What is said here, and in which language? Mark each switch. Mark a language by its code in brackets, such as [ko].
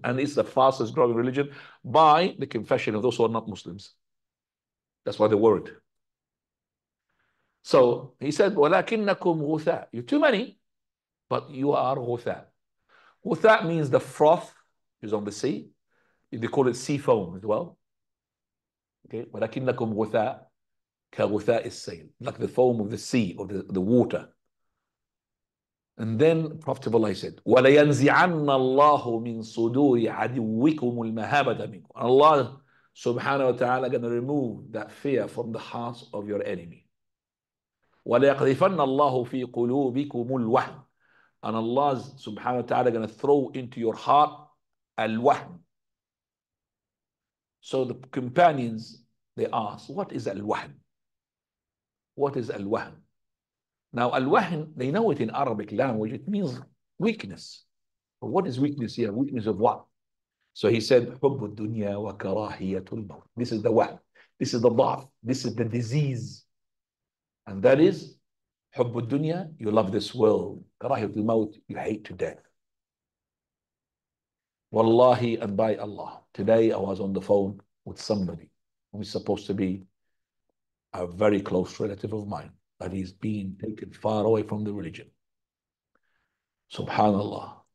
[en] And it's the fastest growing religion by the confession of those who are not Muslims. That's why they're worried. So he said, [ar] وَلَكِنَّكُمْ غُثَى. [en] You're too many, but you are غُثَى. غُثَى means the froth is on the sea. They call it sea foam as well. [ar] Okay, وَلَكِنَّكُمْ غُثَى كَغُثَى السَّيْلِ. [en] Like the foam of the sea or the water. And then Prophet of Allah said, [ar] وَلَيَنْزِعَنَّ اللَّهُ مِنْ صُدُورِ عَدِوِّكُمُ الْمَهَابَةَ مِنْكُمْ. [en] Allah Subhanahu wa ta'ala going to remove that fear from the hearts of your enemy. [ar] وَلَيَقْذِفَنَّ اللَّهُ فِي قُلُوبِكُمُ الْوَحْمِ. [en] And Allah Subhanahu wa ta'ala going to throw into your heart al-wahm. So the companions, they ask, what is al-wahm? What is al-wahm? Now al-wahm, they know it in Arabic language, it means weakness. But what is weakness here? Weakness of what? So he said, [ar] حُبُّ الدُّنْيَا وَكَرَاهِيَةُ الْمَوْتِ. [en] This is the wahm. This is the da'af. This is the disease. And that is, [ar] حُبُّ الدُّنْيَا, [en] you love this world. [ar] كَرَاهِيَةُ الْمَوْتِ, [en] you hate to death. Wallahi, and by Allah, today I was on the phone with somebody who is supposed to be a very close relative of mine, that he's being taken far away from the religion. SubhanAllah.